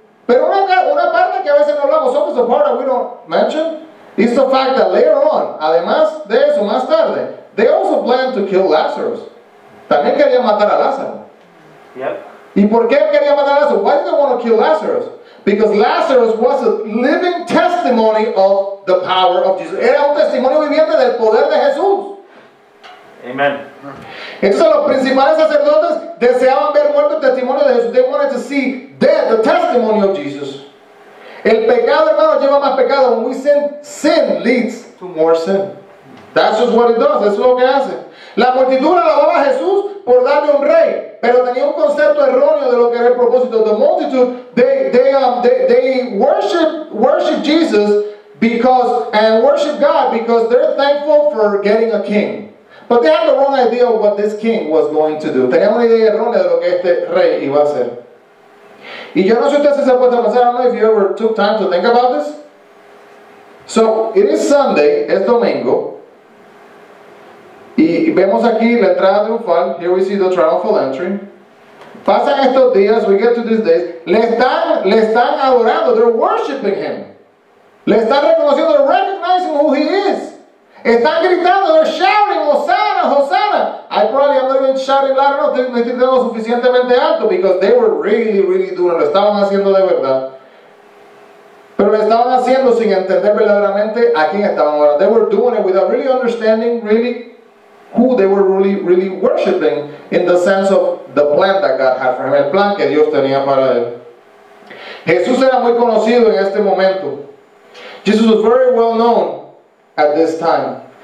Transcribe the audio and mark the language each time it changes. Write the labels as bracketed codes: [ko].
[es] Pero una parte que a veces no hablamos, [en] something's a part that we don't mention, is the fact that later on, [es] además de eso, más tarde, [en] they also planned to kill Lazarus. [es] También querían matar a Lázaro. Yep. ¿Y por qué querían matar a Lázaro? [en] Why did they want to kill Lazarus? Because Lazarus was a living testimony of the power of Jesus. [es] Era un testimonio viviente del poder de Jesús. Amen. Entonces los principales sacerdotes deseaban ver muerto el testimonio de Jesús. [en] They wanted to see dead, the testimony of Jesus. [es] El pecado, hermano, lleva más pecado. [en] When we sin, sin leads to more sin. That's just what it does. That's [es] lo que hace. La multitud alababa a Jesús por darle un rey, pero tenía un concepto erróneo de lo que era el propósito. [en] The multitude, they worship Jesus because and worship God because they're thankful for getting a king. But they had the wrong idea of what this king was going to do. [es] Tenía una idea errónea de lo que este rey iba a hacer. Y yo no sé si se puede pensar, [en] I don't know if you ever took time to think about this. So, it is Sunday, [es] es domingo. Y vemos aquí la entrada triunfal. [en] Here we see the triumphal entry. [es] Pasan estos días, [en] we get to these days. [es] Le están adorando, [en] they're worshiping him. [es] Le están reconociendo, [en] they're recognizing who he is. [es] Están gritando, [en] they're shouting, Hosanna, Hosanna. I probably am not even shouting loud enough. They didn't know [es] suficientemente alto [en] because they were really, really doing it. [es] Lo estaban haciendo de verdad. Pero lo estaban haciendo sin entender verdaderamente a quién estaban orando. [en] They were doing it without really understanding really who they were really, really worshiping in the sense of the plan that God had for him. [es] El plan que Dios tenía para él. Jesús era muy conocido en este momento. [en] Jesus was very well known at this time.